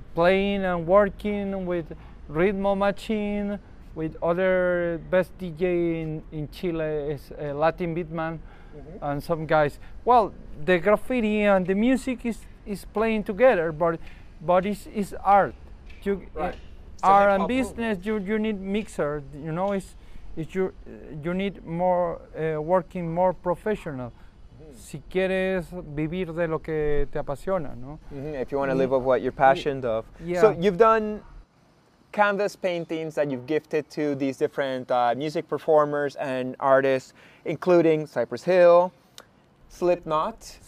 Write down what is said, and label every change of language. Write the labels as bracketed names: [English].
[English] Playing and working with Ritmo Machine, with other best DJ in Chile, is a Latin Beatman, mm-hmm. and some guys. Well, the graffiti and the music is playing together, but it's art. You, right. Art and business, you need mixer, you know, you need more, working more professional. [Spanish] Si quieres vivir de lo que te apasiona, no? Mm-hmm. [English] If you want to live off what you're passionate of. Yeah. So you've done canvas paintings that you've gifted to these different music performers and artists, including Cypress Hill, Slipknot.